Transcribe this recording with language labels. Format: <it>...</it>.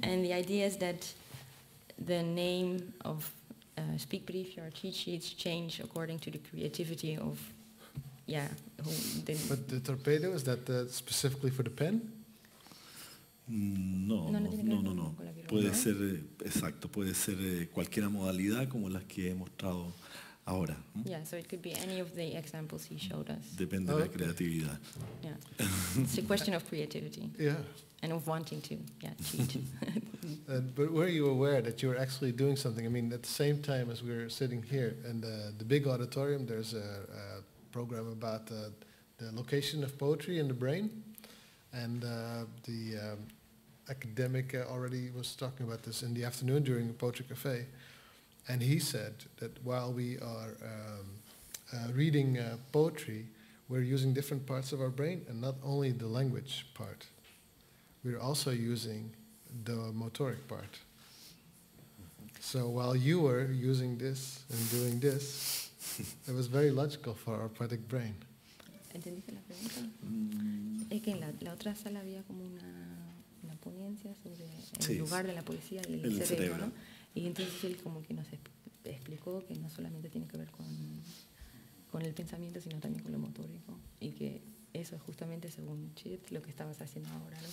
<en>And the idea is that the name of speak brief or cheat sheets change according to the creativity of yeah. But the torpedo, is that specifically for the pen? No.</en> <es>Puede ser, exacto, puede ser cualquier modalidad como las que he mostrado ahora.</es> <en>Yeah, so it could be any of the examples he showed us.</en> <es>Depende de la creatividad.</es> <en>Yeah. It's a question of creativity. Yeah. And of wanting to, cheat. But were you aware that you were actually doing something? I mean, at the same time as we're sitting here in the big auditorium, there's a program about the location of poetry in the brain. And the academic already was talking about this in the afternoon during the Poetry Cafe. And he said that while we are reading poetry, we're using different parts of our brain, and not only the language part. We're also using the motoric part. So while you were using this and doing this, it was very logical for our poetic brain.</en> <es>¿Entendiste la pregunta? Es que en la otra sala había como una ponencia sobre el lugar de la poesía y el cerebro, ¿no? Y entonces él como que nos explicó que no solamente tiene que ver con el pensamiento, sino también con lo motórico. Y que eso es justamente, según Chit, lo que estabas haciendo ahora, ¿no?</es>